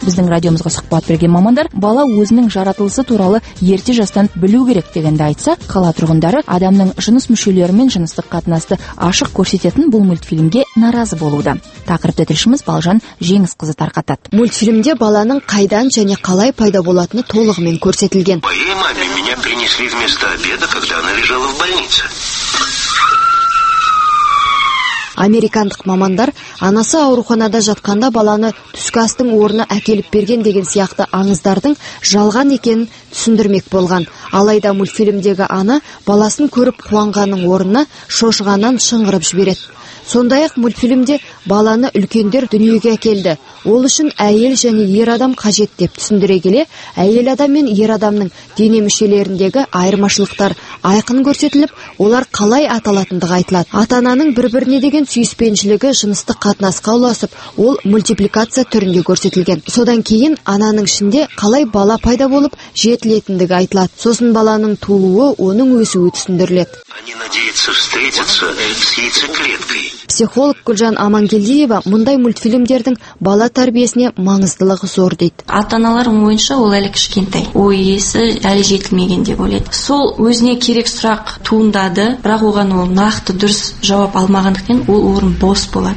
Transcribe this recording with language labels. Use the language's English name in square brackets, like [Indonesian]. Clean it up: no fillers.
[Kazakh] Біздің радиомызға сұхбат берген мамандар бала өзінің жаратылысы туралы ерте жастан білу керек дегенді айтса, қала тұрғындары адамның жыныс мүшелері мен жыныстық қатынасты ашық көрсететін бұл мультфильмге наразы болуда. Тақырыпты тілшіміз Балжан Жеңіс қызы тарқатады. Мультфильмде баланың қайдан және қалай пайда болатыны толығымен көрсетілген. [Russian] Моей маме меня принесли вместо обеда, когда она лежала в больнице. [Kazakh] Американдық мамандар анасы ауруханада жатқанда баланы түскі астың орны әкеліп берген деген сияқты аңыздардың жалған екенін түсіндірмек болған. Алайда мультфильмдегі ана баласын көріп қуанғанның орнына шошығанан шыңғырып жібереді. Сондай-ақ мультфильмде баланы үлкендер дүниеге әкелді. Ол үшін әйел және ер адам қажет деп түсіндіре келе, әйел адам мен ер адамның дене мүшелеріндегі айырмашылықтар айқын көрсетіліп, олар қалай аталатындығы айтылады. Ата-ананың бір-біріне деген сүйіспеншілігі жыныстық қатынасқа ұласып, ол мультипликация түрінде көрсетілген. Содан кейін ананың ішінде қалай бала пайда болып жетілетіндігі айтылады. Сосын баланың тууы, оның өсуі түсіндіріледі. [Russian] Они надеются встретиться с яйцеклеткой. [Kazakh] Психолог Гүлжан Амангелдиева мұндай мультфильмдердің бала тәрбиесіне маңыздылығы зор дейді. Ата-аналардың ойынша ол әлі кішкентай, ой есі әлі жетілмеген деп ойлайды. Сол өзіне керек сұрақ туындады, бірақ оған ол нақты дұрыс жауап алмағандықтан ол орын бос болады.